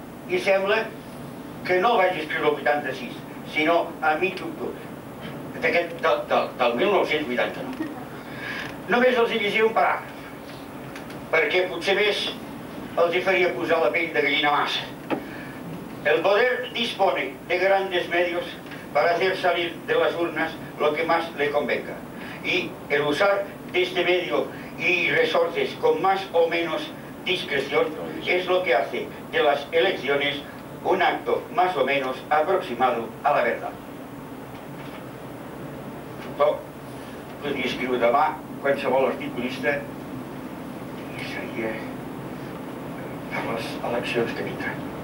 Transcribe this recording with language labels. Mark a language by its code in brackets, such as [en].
[ca] I sembla que no el vaig escriure el 86, sinó a mig d'octubre. D'aquest, del 1989. Només els hi llegia un paràgraf. perquè potser més els hi faria posar la pell de gallina massa. [es] El poder dispone de grandes medios para hacer salir de las urnas lo que más le convenga. Y el usar de este medio y resortes con más o menos discreción es lo que hace de las elecciones un acto más o menos aproximado a la verdad. [ca] Però, podria escriure demà qualsevol articulista i seria per les eleccions que vindran.